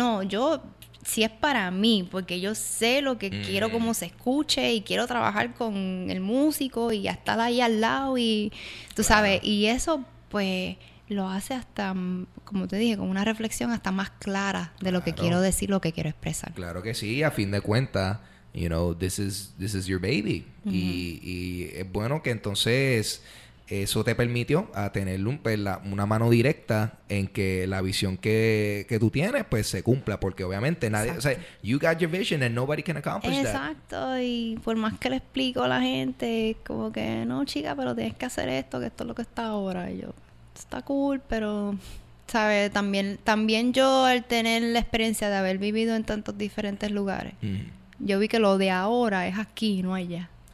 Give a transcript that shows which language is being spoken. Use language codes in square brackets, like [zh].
[es] No, yo, si es para mí, porque yo sé lo que quiero, cómo se escuche, y quiero trabajar con el músico y estar ahí al lado y, tú sabes, y eso, pues, lo hace hasta, como te dije, con una reflexión hasta más clara de lo que quiero decir, lo que quiero expresar. Claro que sí, a fin de cuentas. [en] You know, this is your baby. [es] Uh-huh. Y es bueno que entonces eso te permitió a tener una mano directa en que la visión que tú tienes, pues, se cumpla. Porque obviamente nadie... Exacto. O sea, [en] you got your vision and nobody can accomplish [es] Exacto. [en] that. [es] Exacto. Y por más que le explico a la gente, es como que, no, chica, pero tienes que hacer esto, que esto es lo que está ahora. Y yo, está cool, pero... ¿Sabes? También yo, al tener la experiencia de haber vivido en tantos diferentes lugares... Uh-huh. Yo vi que lo de ahora es aquí, no allá.